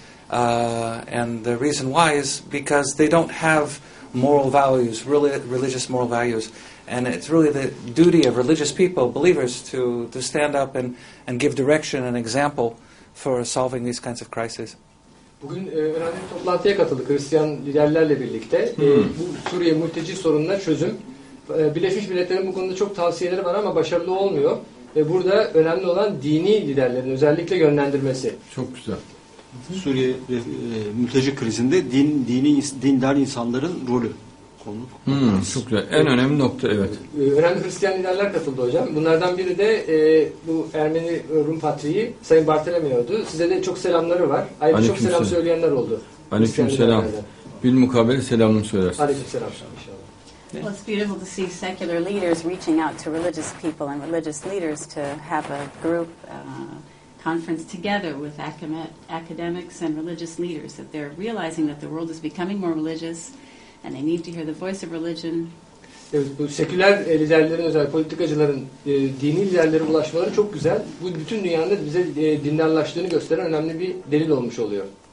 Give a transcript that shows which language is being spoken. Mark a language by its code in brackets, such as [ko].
[en] And the reason why is because they don't have moral values, really religious moral values. And it's really the duty of religious people, believers, to stand up and give direction and example for solving these kinds of crises. [tr] Bugün önemli bir toplantıya katıldık Hristiyan liderlerle birlikte. Bu Suriye mülteci sorununa çözüm. Birleşmiş Milletler'in bu konuda çok tavsiyeleri var ama başarılı olmuyor. Ve burada önemli olan dini liderlerin özellikle yönlendirmesi. Çok güzel. Suriye mülteci krizinde dindar insanların rolü konu. Çok güzel. En önemli nokta evet. Önemli Hristiyan liderler katıldı hocam. Bunlardan biri de bu Ermeni Rum Patriği Sayın Bartolomeo'du. Size de çok selamları var. Ayrıca çok selam söyleyenler oldu. Aleyküm selam. Bil mukabele selamını söylersiniz. Aleyküm selam inşallah. [en] Well, it's beautiful to see secular leaders reaching out to religious people and religious leaders to have a group conference together with academics and religious leaders, that they're realizing that the world is becoming more religious and they need to hear the voice of religion. [tr] Evet, bu seküler liderlerin, özellikle politikacıların dini liderlere ulaşmaları çok güzel. Bu bütün dünyanın bize dindarlaştığını gösteren önemli bir delil olmuş oluyor.